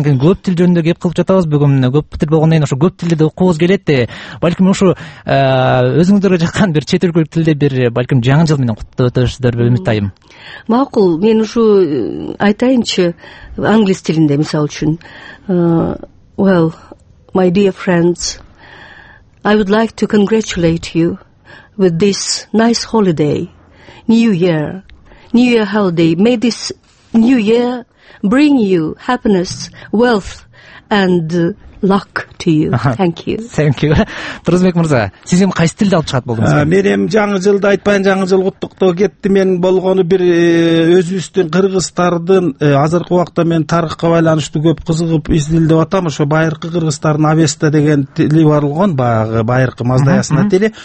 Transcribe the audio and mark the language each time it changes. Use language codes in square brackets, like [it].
[ky] Көп тил жөнүндө кеп кылып жатабыз бүгүн. Мына көп тил болгондон кийин ушу көп тилди да уккубуз келет. Балким ушу өзүңүздөргө жаккан бир чет өлкөлүк тилде бир балким жаңы жыл менен куттуктап өтөсүздөрбү, үмүттайым? Макул, мен ушу айтайынчы англис тилинде мисалы үчүн. [en] Well, my dear friends, I would like to congratulate you with this nice holiday. New Year, New Year holiday. May this New Year bring you happiness, wealth and luck to you. Thank you. Thank you. [ky] Турсбек мырза, сиз эми кайсы тилди алып чыгат болдуңуз? Мен эми жаңы жылды айтпайын, жаңы жыл куттуктоо кетти. Мен болгону бир өзүбүздүн кыргыздардын азыркы убакта мен тарыхка байланыштуу көп кызыгып изилдеп атам. Ошо байыркы кыргыздардын авеста деген тили бар болгон, баягы байыркы маздаясына тили.